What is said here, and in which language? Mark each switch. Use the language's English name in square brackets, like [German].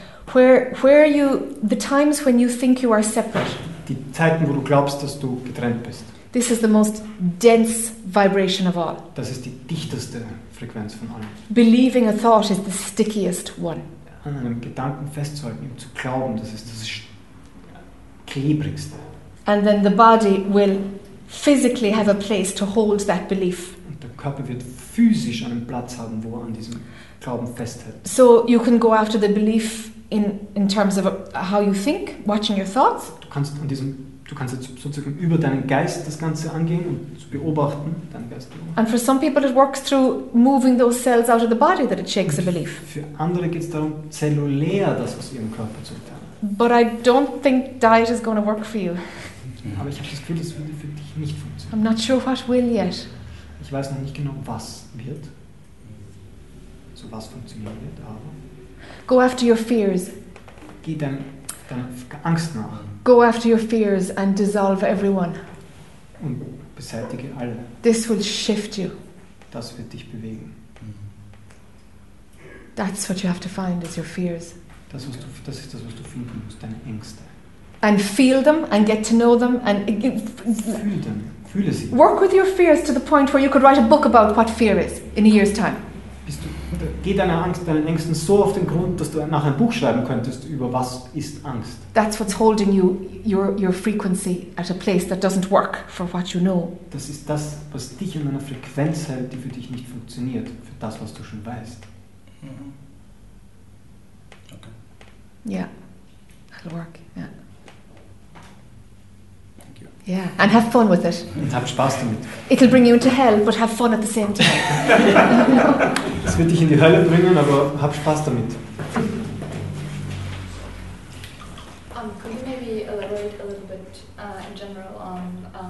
[English] Where you the times when you think you are separate. [German] Die Zeiten, wo du glaubst, dass du getrennt bist. [English] This is the most dense vibration of all. [German] Das ist die dichteste Frequenz von allen. [English] Believing a thought is the stickiest one. [German] An einem Gedanken festzuhalten, ihm zu glauben, das ist das klebrigste. [English] And then the body will physically have a place to hold that belief. [German] Und der Körper wird physisch einen Platz haben, wo er an diesem Glauben festhält. [English] So you can go after the belief in terms of how you think, watching your thoughts. [German] Du kannst jetzt sozusagen über deinen Geist das Ganze angehen und zu beobachten, deinen Geist beobachten. [English] And for some people it works through moving those cells out of the body that it shakes a belief. [German] Für andere geht es darum, zellulär das aus ihrem Körper zu entfernen. [English] But I don't think diet is going to work for you. [German] Aber ich habe das Gefühl, das würde für dich nicht funktionieren. [English] I'm not sure what will yet. [German] Ich weiß noch nicht genau, was wird. So was funktionieren wird, aber... [English] Go after your fears. [German] Geh deiner Angst nach. [English] Go after your fears and dissolve everyone. [German] Und beseitige alle. [English] This will shift you. [German] Das wird dich bewegen. [English] That's what you have to find, is your fears. [German] Das ist das, was du finden musst, deine Ängste. [English] And feel them and get to know them. And [German] fühl them. Fühle sie. [English] Work with your fears to the point where you could write a book about what fear is in a year's time. [German] Geh deiner Angst, deinen Ängsten so auf den Grund, dass du nachher ein Buch schreiben könntest über was ist Angst. [English] That's what's holding you, your frequency at a place that doesn't work for what you know. [German] Das ist das, was dich in einer Frequenz hält, die für dich nicht funktioniert, für das, was du schon weißt. [English] Okay. Yeah, it'll work. Yeah. Yeah, and have fun with it. [German] Und hab Spaß damit. [English] It'll bring you into hell, but have fun at the same time. [German] Es wird dich in die Hölle bringen, aber hab Spaß damit. [English] Could you maybe elaborate a little bit in general on...